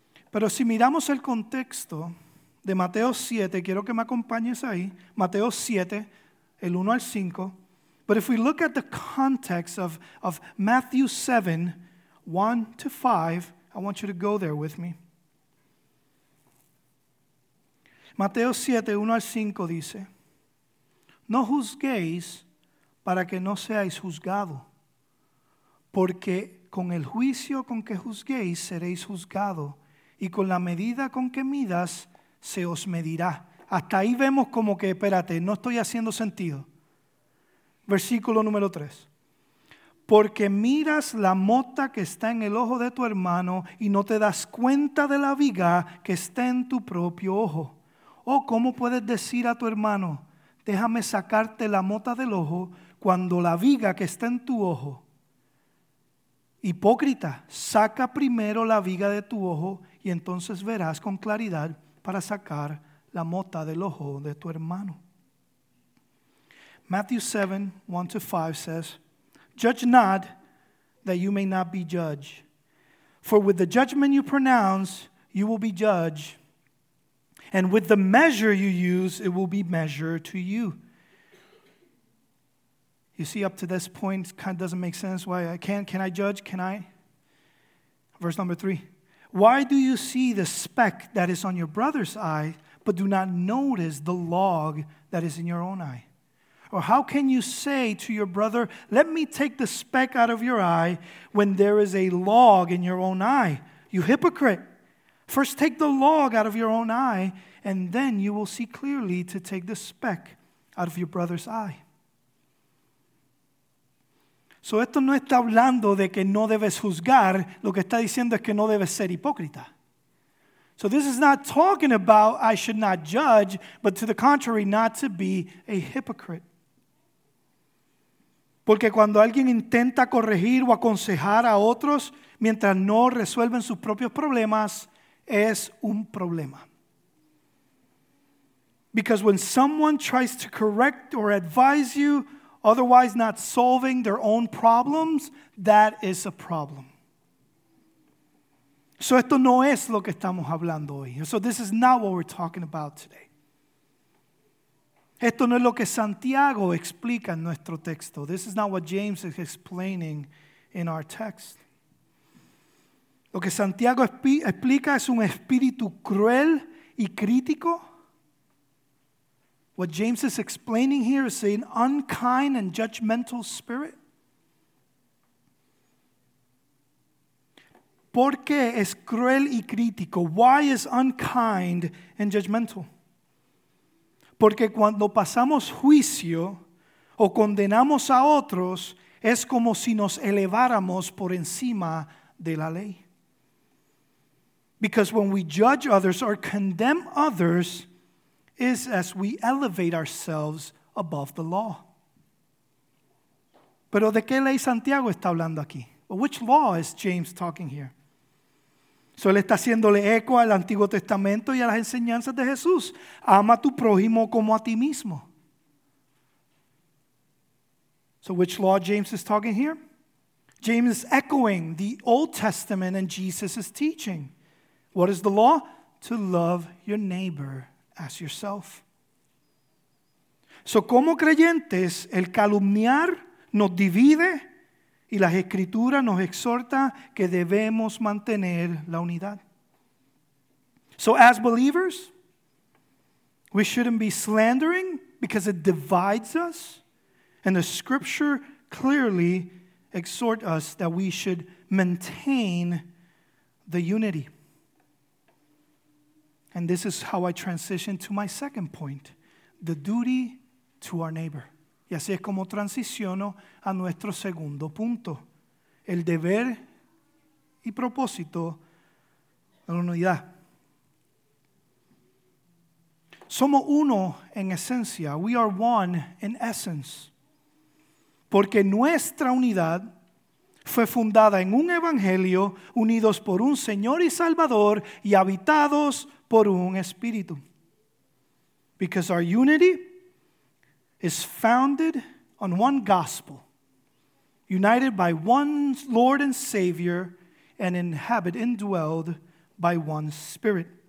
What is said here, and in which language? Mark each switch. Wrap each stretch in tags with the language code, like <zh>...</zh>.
<es>Pero si miramos el contexto de Mateo 7, quiero que me acompañes ahí. Mateo 7, el 1 al 5.</es> <en>But if we look at the context of Matthew 7, 1 to 5, I want you to go there with me.</en> <es>Mateo 7, 1 al 5 dice, no juzguéis para que no seáis juzgado, porque con el juicio con que juzguéis seréis juzgado, y con la medida con que midas se os medirá. Hasta ahí vemos como que, espérate, no estoy haciendo sentido. Versículo número 3. Porque miras la mota que está en el ojo de tu hermano y no te das cuenta de la viga que está en tu propio ojo. O cómo puedes decir a tu hermano, déjame sacarte la mota del ojo cuando la viga que está en tu ojo. Hipócrita, saca primero la viga de tu ojo y entonces verás con claridad para sacar la mota del ojo de tu hermano.</es> <en>Matthew 7, 1 to 5 says, judge not that you may not be judged. For with the judgment you pronounce, you will be judged. And with the measure you use, it will be measured to you. You see, up to this point, it kind of doesn't make sense. Why I can't? Can I judge? Can I? Verse number 3. Why do you see the speck that is on your brother's eye, but do not notice the log that is in your own eye? Or how can you say to your brother, let me take the speck out of your eye when there is a log in your own eye? You hypocrite. First take the log out of your own eye and then you will see clearly to take the speck out of your brother's eye.</en> <es>So esto no está hablando de que no debes juzgar. Lo que está diciendo es que no debes ser hipócrita.</es> <en>So this is not talking about I should not judge, but to the contrary, not to be a hypocrite.</en> <es>Porque cuando alguien intenta corregir o aconsejar a otros mientras no resuelven sus propios problemas, es un problema.</es> <en>Because when someone tries to correct or advise you, otherwise not solving their own problems, that is a problem.</en> <es>So esto no es lo que estamos hablando hoy.</es> <en>So this is not what we're talking about today.</en> <es>Esto no es lo que Santiago explica en nuestro texto.</es> <en>This is not what James is explaining in our text.</en> <es>Lo que Santiago explica es un espíritu cruel y crítico.</es> <en>What James is explaining here is an unkind and judgmental spirit.</en> <es>¿Por qué es cruel y crítico?</es> <en>Why is unkind and judgmental?</en> <es>Porque cuando pasamos juicio o condenamos a otros, es como si nos eleváramos por encima de la ley.</es> <en>Because when we judge others or condemn others, is as we elevate ourselves above the law.</en> <es>¿Pero de qué ley Santiago está hablando aquí?</es> <en>Well, which law is James talking here?</en> <es>So él está haciéndole eco al Antiguo Testamento y a las enseñanzas de Jesús. Ama a tu prójimo como a ti mismo.</es> <en>So which law James is talking here? James is echoing the Old Testament and Jesus' teaching. What is the law? To love your neighbor as yourself.</en> <es>So como creyentes, el calumniar nos divide y las escrituras nos exhorta que debemos mantener la unidad.</es> <en>So as believers, we shouldn't be slandering because it divides us. And the scripture clearly exhorts us that we should maintain the unity. And this is how I transition to my second point, the duty to our neighbor.</en> <es>Y así es como transiciono a nuestro segundo punto, el deber y propósito de la unidad. Somos uno en esencia.</es> <en>We are one in essence.</en> <es>Porque nuestra unidad fue fundada en un evangelio, unidos por un Señor y Salvador y habitados por un espíritu.</es> <en>Because our unity is founded on one gospel, united by one Lord and Savior, and inhabited, indwelled by one Spirit.</en>